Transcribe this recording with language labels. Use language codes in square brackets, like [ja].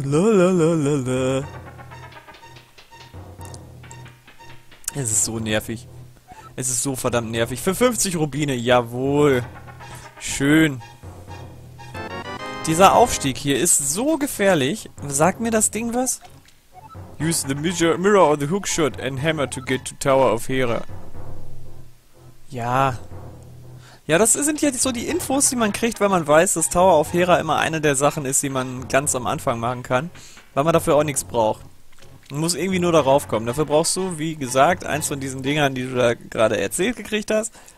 [de] Lalalalala. Es ist so nervig. Es ist so verdammt nervig. Für 50 Rubine, jawohl. Schön. Dieser Aufstieg hier ist so gefährlich. Sagt mir das Ding was? [en] Use the mirror or the hookshot and hammer to get to Tower of Hera. [de] Ja. Ja, das sind ja so die Infos, die man kriegt, weil man weiß, dass Tower of Hera immer eine der Sachen ist, die man ganz am Anfang machen kann. Weil man dafür auch nichts braucht. Man muss irgendwie nur darauf kommen. Dafür brauchst du, wie gesagt, eins von diesen Dingern, die du da gerade erzählt gekriegt hast.